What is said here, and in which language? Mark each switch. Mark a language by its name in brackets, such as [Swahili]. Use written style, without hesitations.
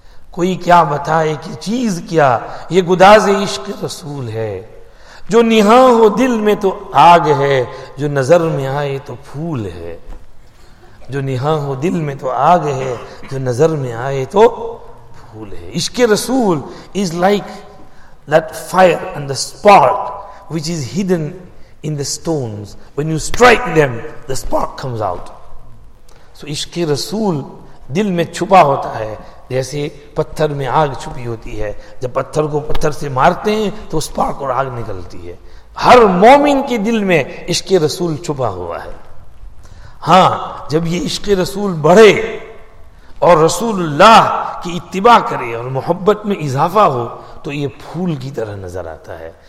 [Urdu] کوئی کیا بتائے کہ چیز کیا, یہ گداز عشق رسول ہے. جو نہاں ہو دل میں تو آگ ہے, جو نظر میں آئے تو پھول ہے. جو نہاں ہو دل میں تو آگ ہے, جو نظر میں آئے تو پھول ہے. [English] عشق رسول is like that fire and the spark which is hidden in the stones. When you strike them, the spark comes out. [Urdu] So عشق رسول دل میں چھپا ہوتا ہے, جیسے پتھر میں آگ چھپی ہوتی ہے. جب پتھر کو پتھر سے مارتے ہیں تو spark اور آگ نکلتی ہے. ہر مومن کے دل میں عشق رسول چھپا ہوا ہے. ہاں, جب یہ عشق رسول بڑھے اور رسول اللہ کی اتباع کرے اور محبت میں اضافہ ہو تو یہ پھول کی طرح نظر آتا ہے.